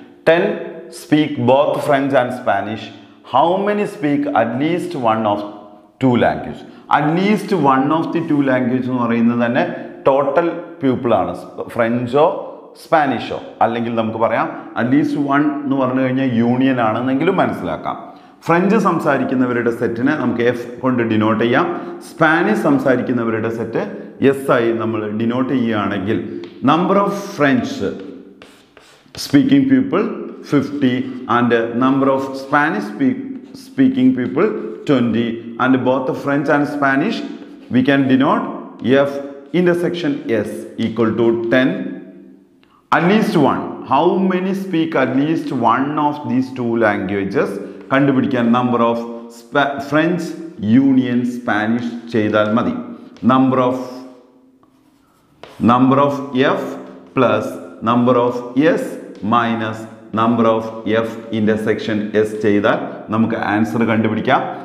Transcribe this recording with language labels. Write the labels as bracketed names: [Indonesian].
[English] 10 speak both French and Spanish. How many speak at least one of two languages? At least one of the two languages [Malayalam] nu parayunnathane total people aanu French o സ്പാനിഷോ അല്ലെങ്കിൽ നമുക്ക് പറയാം at least one എന്ന് പറഞ്ഞു കഴിഞ്ഞാൽ union ആണെന്നെങ്കിലും മനസ്സിലാക്കാം. French സംസാരിക്കുന്നവരുടെ സെറ്റിനെ നമുക്ക് F കൊണ്ട് ഡിനോട്ട് ചെയ്യാം. [English] Spanish സംസാരിക്കുന്നവരുടെ set S ആയി നമ്മൾ ഡിനോട്ട് ചെയ്യുകയാണെങ്കിൽ number of French speaking people 50 and number of Spanish speaking people 20 and both French and Spanish we can denote F intersection S equal to 10 at least one. How many speak at least one of these two languages? [Malayalam] കണ്ടുപിടിക്കാൻ number of French union Spanish ചെയ്താൽ മതി. [English] number of F plus number of S minus number of F intersection S [Malayalam] ചെയ്താൽ നമുക്ക് answer കണ്ടുപിടിക്കാം.